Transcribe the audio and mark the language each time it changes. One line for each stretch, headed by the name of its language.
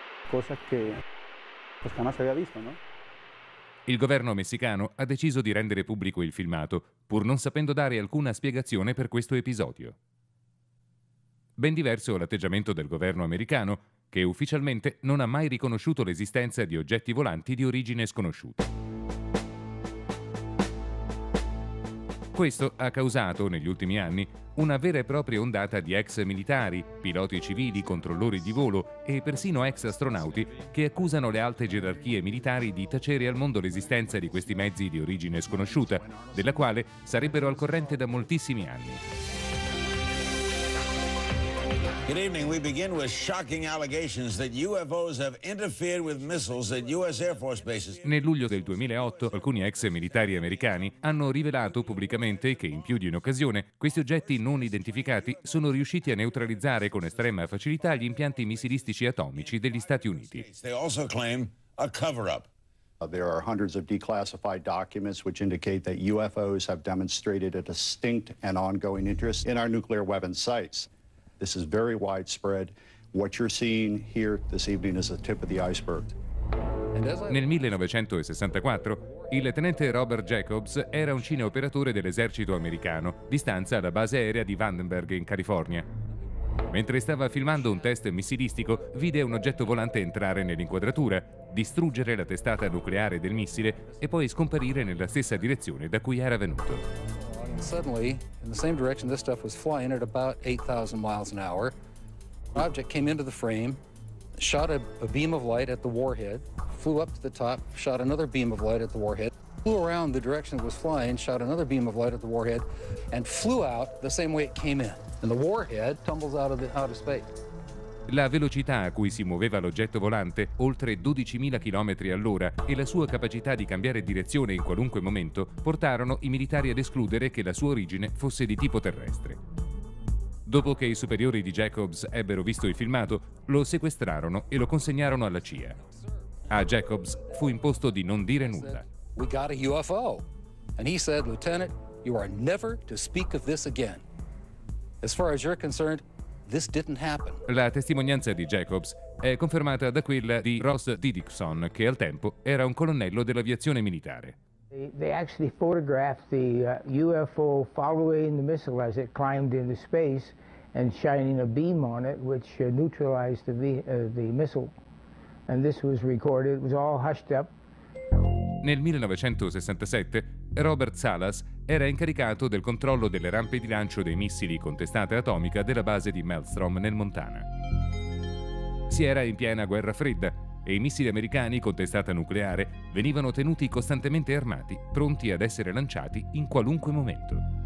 Spanish: Cosa que pues jamás se había visto, ¿no?
Italian: Il governo messicano ha deciso di rendere pubblico il filmato, pur non sapendo dare alcuna spiegazione per questo episodio. Ben diverso l'atteggiamento del governo americano, che ufficialmente non ha mai riconosciuto l'esistenza di oggetti volanti di origine sconosciuta. Questo ha causato, negli ultimi anni, una vera e propria ondata di ex militari, piloti civili, controllori di volo e persino ex astronauti che accusano le alte gerarchie militari di tacere al mondo l'esistenza di questi mezzi di origine sconosciuta, della quale sarebbero al corrente da moltissimi anni.
English: Good evening. We begin with shocking allegations that UFOs have interfered with missiles at US Air Force bases.
Italian: Nel luglio del 2008, alcuni ex militari americani hanno rivelato pubblicamente che in più di un'occasione questi oggetti non identificati sono riusciti a neutralizzare con estrema facilità gli impianti missilistici atomici degli Stati Uniti.
English: They also claim a cover-up. There are hundreds of declassified documents which indicate that UFOs have demonstrated a distinct and ongoing interest in our nuclear weapons sites. This is very widespread. What you're seeing here this evening is the tip of the iceberg.
Italian: Nel 1964, il tenente Robert Jacobs era un cineoperatore dell'esercito americano, di stanza alla base aerea di Vandenberg in California. Mentre stava filmando un test missilistico, vide un oggetto volante entrare nell'inquadratura, distruggere la testata nucleare del missile e poi scomparire nella stessa direzione da cui era venuto.
English: Suddenly, in the same direction this stuff was flying at about 8,000 miles an hour, an object came into the frame, shot a beam of light at the warhead, flew up to the top, shot another beam of light at the warhead, flew around the direction it was flying, shot another beam of light at the warhead, and flew out the same way it came in. And the warhead tumbles out of space.
Italian: La velocità a cui si muoveva l'oggetto volante, oltre 12.000 km all'ora, e la sua capacità di cambiare direzione in qualunque momento, portarono i militari ad escludere che la sua origine fosse di tipo terrestre. Dopo che i superiori di Jacobs ebbero visto il filmato, lo sequestrarono e lo consegnarono alla CIA. A Jacobs fu imposto di non dire nulla.
English: We got a UFO. And he said, Lieutenant, you are never to speak of this again. As far as you're concerned, this didn't happen.
Italian: La testimonianza di Jacobs è confermata da quella di Ross Didikson, che al tempo era un colonnello dell'aviazione militare.
English: They actually photographed the UFO following the missile as it climbed into space and shining a beam on it, which neutralized the missile. And this was recorded. It was all hushed up.
Italian: Nel 1967, Robert Salas era incaricato del controllo delle rampe di lancio dei missili con testata atomica della base di Maelstrom nel Montana. Si era in piena guerra fredda e i missili americani con testata nucleare venivano tenuti costantemente armati, pronti ad essere lanciati in qualunque momento.